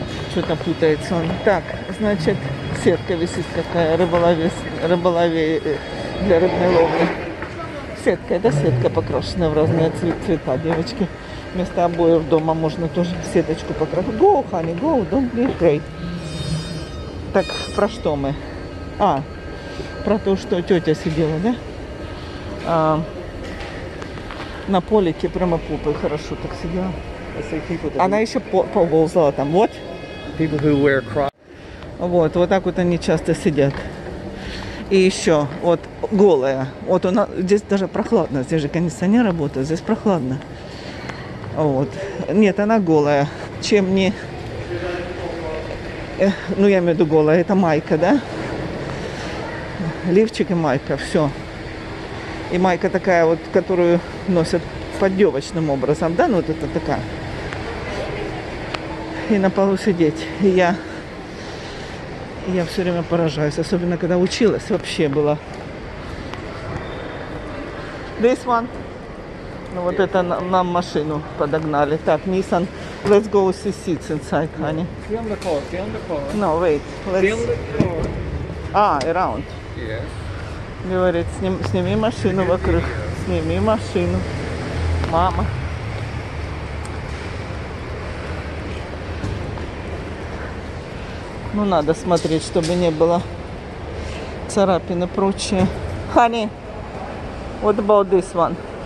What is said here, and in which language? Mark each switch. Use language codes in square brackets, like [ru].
[ru] Что-то путается он. Так, значит, сетка висит какая. Рыболовец для рыбной ловли. Сетка, это сетка покрашена в разные цвета, девочки. Вместо обоев дома можно тоже сеточку покрасить. [en] Go, honey, go, don't be afraid. [ru] Так, про что мы? А, про то, что тетя сидела, да? А, на полике прямо попой хорошо так сидела. Она еще поползала там. Вот. [en] People who wear crocs. [ru] Вот, вот так вот они часто сидят. И еще, вот голая. Вот у нас здесь даже прохладно. Здесь же кондиционер работает, здесь прохладно. Вот. Нет, она голая. Чем не... ну, я имею в виду голая. Это майка, да? Лифчик и майка. Все. И майка такая вот, которую носят поддевочным образом, да? Ну, вот это такая. И на полу сидеть. И я все время поражаюсь. Особенно, когда училась, вообще было. [en] This one. [ru] Ну, вот это нам машину подогнали. Так, Nissan. [en] Let's go see seats inside, honey. Film the car, film the car. No, wait. Let's... Film the car. А, around. Yes. [ru] Говорит, сними машину вокруг. Сними машину. Мама. Ну, надо смотреть, чтобы не было царапин и прочее. [en] Honey, what about this one?